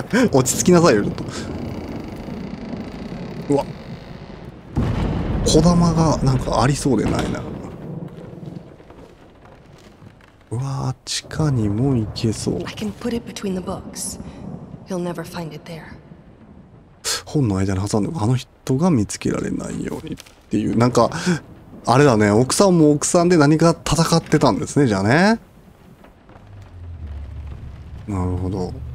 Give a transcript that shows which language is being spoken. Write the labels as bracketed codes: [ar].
[ja] 落ち着きなさいよ、ちょっと。うわ。小玉が、なんかありそうでないな。うわ、地下にも行けそう。 [en] I can put it between the books. He'll never find it there. [ja] 本の間に挟んで、あの人が見つけられないように。っていう、なんかあれだね、奥さんも奥さんで何か戦ってたんですね、じゃあね。なるほど。